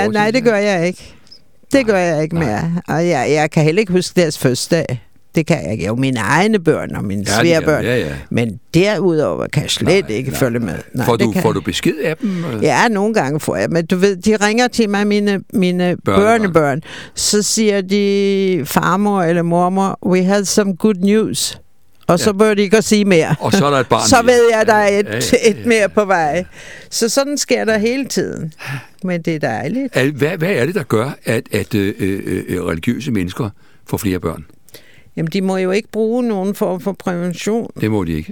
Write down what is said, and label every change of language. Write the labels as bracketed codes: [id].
[da] nej, det gør jeg ikke. Det gør jeg ikke mere. Og jeg kan heller ikke huske deres første dag. Det kan jeg ikke. Jo, mine egne børn og mine svære børn. Ja. Men derudover kan jeg slet ikke følge med. Nej, får du besked af dem? Ja, nogle gange får jeg. Men du ved, de ringer til mig, mine børnebørn. Så siger de, farmor eller mormor, [en] we had some good news. [da] Og så bør de ikke sige mere. Og så er der et barn. Så ved jeg, der er et mere på vej. Så sådan sker der hele tiden. Men det er dejligt. Hvad er det, der gør, at religiøse mennesker får flere børn? Jamen, de må jo ikke bruge nogen form for prævention. Det må de ikke.